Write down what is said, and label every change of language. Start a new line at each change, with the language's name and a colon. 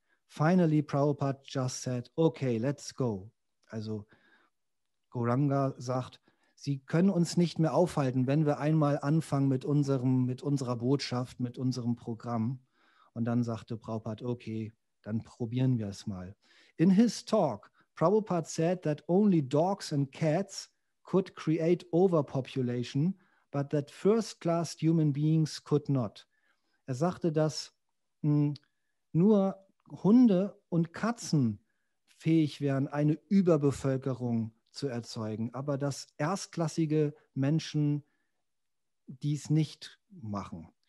English: Finally, Prabhupada just said, okay, let's go.
German: Also Gauranga sagt, sie können uns nicht mehr aufhalten, wenn wir einmal anfangen mit unserer Botschaft, mit unserem Programm. Und dann sagte Prabhupada, okay, dann probieren wir es mal.
English: In his talk, Prabhupada said that only dogs and cats could create overpopulation, but that first-class human beings could not.
German: Er sagte, dass nur Hunde und Katzen fähig wären, eine Überbevölkerung zu erzeugen, aber dass erstklassige Menschen dies nicht machen.